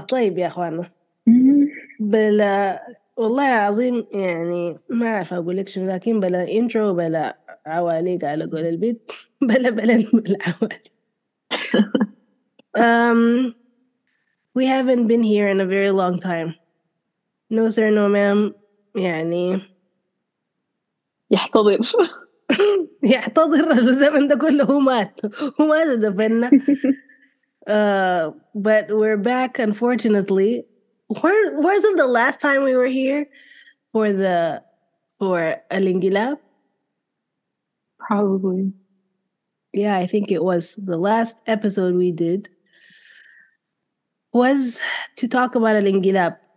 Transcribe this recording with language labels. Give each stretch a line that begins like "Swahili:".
Arabic: طيب يا أخوانا بلا والله عظيم يعني ما أعرف أقول لك شو، لكن بلا إنترو بلا عواليق على قول البيت بلا عوالي.
English: We haven't been here in a very long time. No sir, no ma'am. يعني
Arabic: يحتضر يحتضر الزمن ده كله، هو مات دفننا.
English: But we're back, unfortunately. Wasn't the last time we were here for الانقلاب? Probably. Yeah, I think it was. The last episode we did was to talk about الانقلاب.